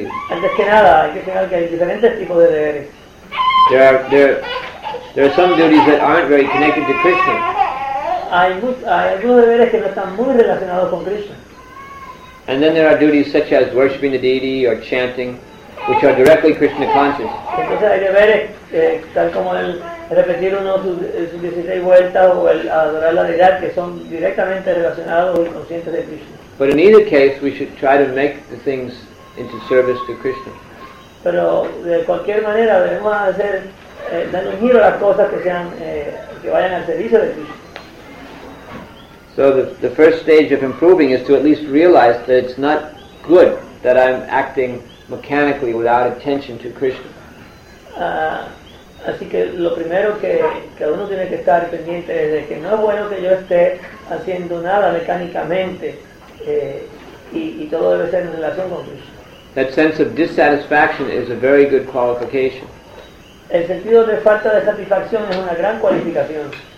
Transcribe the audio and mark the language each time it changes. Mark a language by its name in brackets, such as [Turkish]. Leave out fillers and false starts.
[Spanish] Antes que nada, hay que señalar que hay diferentes tipos de deberes. [English] There are some duties that aren't very connected to Krishna. [Spanish] Hay algunos deberes que no están muy relacionados con Krishna. [English] And then there are duties such as worshipping the deity or chanting, which are directly Krishna conscious. [Spanish] Entonces hay deberes tal como el repetir uno sus 16 vueltas o el adorar la deidad, que son directamente relacionados y conscientes de Krishna. [English] But in either case, we should try to make the things into service to Krishna. [Spanish] Pero de cualquier manera debemos hacer dar un giro a las cosas que sean que vayan al servicio de Krishna. [English] So the first stage of improving is to at least realize that it's not good that I'm acting mechanically without attention to Krishna. [Spanish] Así que lo primero que uno tiene que estar pendiente es de que no es bueno que yo esté haciendo nada mecánicamente y todo debe ser en relación con Krishna. [English] That sense of dissatisfaction is a very good qualification. [Spanish] El sentido de falta de satisfacción es una gran cualificación.